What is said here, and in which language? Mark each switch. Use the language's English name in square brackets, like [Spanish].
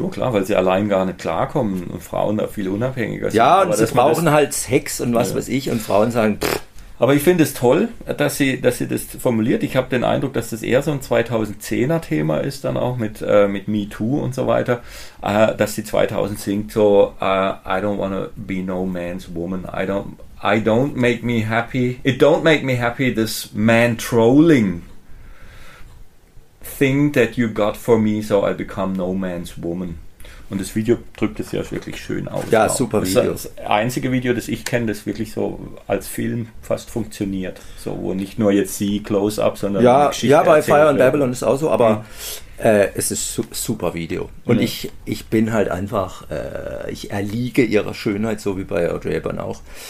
[German] Ja, klar, weil sie allein gar nicht klarkommen und Frauen da viel unabhängiger sind. Ja, und aber sie brauchen halt Sex und was weiß ich. Und Frauen sagen, pff. Aber ich finde es toll, dass sie das formuliert. Ich habe den Eindruck, dass das eher so ein 2010er-Thema ist, dann auch mit Me Too und so weiter. Dass sie 2000 singt so, [English] I don't wanna be no man's woman, [German] it don't make me happy, this man-trolling thing that you got for me, so I become no man's woman. Und das Video drückt es ja wirklich schön aus. Ja, super Video. Das ist das einzige Video, das ich kenne, das wirklich so als Film fast funktioniert. So, wo nicht nur jetzt sie close-up, sondern ja, Geschichte ja, bei Fire and Babylon ist auch so, aber es ist super Video. Und ich bin halt einfach, ich erliege ihrer Schönheit, so wie bei Audrey Hepburn auch.